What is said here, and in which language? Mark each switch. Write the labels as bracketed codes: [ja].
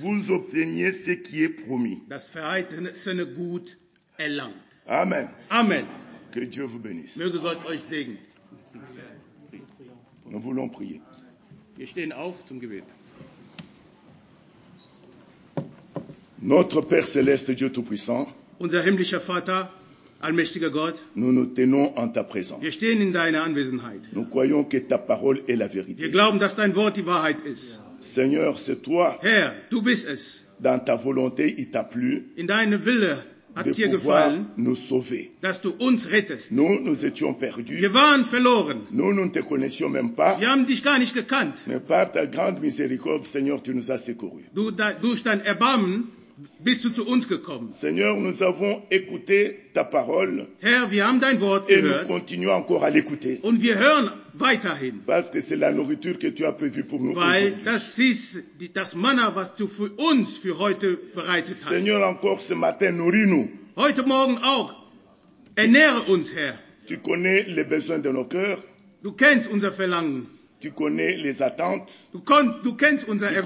[fr] vous obteniez ce qui est promis. [de] Das verheißene Gut erlangt. Amen. Amen. [fr] Que Dieu vous bénisse. [de] Möge Gott euch segnen. [fr] Nous voulons prier. [de] Wir stehen auf zum Gebet. [fr] Notre Père céleste, Dieu tout-puissant. [de] Unser himmlischer Vater. Allmächtiger Gott, [fr] nous nous tenons en ta présence. [de] Wir stehen in deiner Anwesenheit. [fr] Nous croyons que ta parole est la vérité. [de] Wir glauben, dass dein Wort die Wahrheit ist. [fr] Seigneur, c'est toi. [de] Herr, du bist es. [fr] Dans ta volonté, il t'a plu. [de] In deinem Wille hat [fr] de [de] dir gefallen, [fr] nous sauver. [de] Dass du uns rettest. [fr] Nous, nous étions perdus. [de] Wir waren verloren. [fr] Nous, nous ne te connaissions même pas. [de] Wir haben dich gar nicht gekannt. [fr] Mais par ta grande miséricorde, Seigneur, tu nous as secourus. [de] Durch dein Erbarmen bist du zu uns gekommen. [fr] Seigneur, nous avons écouté ta parole. [de] Herr, wir haben dein Wort [fr] gehört. Et nous continuons encore à l'écouter. [de] Und wir hören weiterhin. [fr] Parce que c'est la nourriture que tu as prévue pour nous [de] weil aujourd'hui. Weil das ist das Manna, was du für uns für heute bereitet hast. [fr] Seigneur, encore ce matin, nourris-nous. [de] Heute Morgen auch. Ernähre uns, Herr. [fr] Tu connais les besoins de nos cœurs. [de] Du kennst unser Verlangen. [fr] Tu connais les attentes. [de] Du kennst unser Erwarten.